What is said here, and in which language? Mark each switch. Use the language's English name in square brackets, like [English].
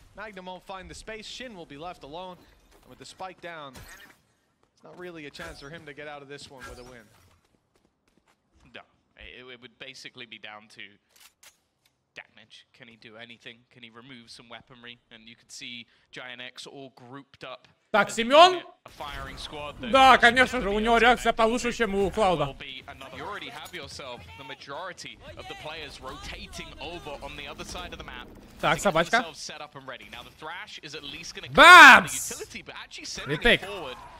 [English] Magnum won't find the space. Shin will be left alone, and with the spike down, it's not really a chance for him to get out of this one with a win. No, it would basically be down to. Damage. Can he do anything? Can he remove some weaponry? And you could see Giant X all grouped up. [Russian] Так, Семен? Да, конечно же, у него реакция получше, чем у Клауда. [English] You already have yourself the majority of the players rotating over on the other side of the map. [Russian] Так, собачка. [English] Set up and ready. Now the Thrash is at least going to come to the utility, but actually sending it forward.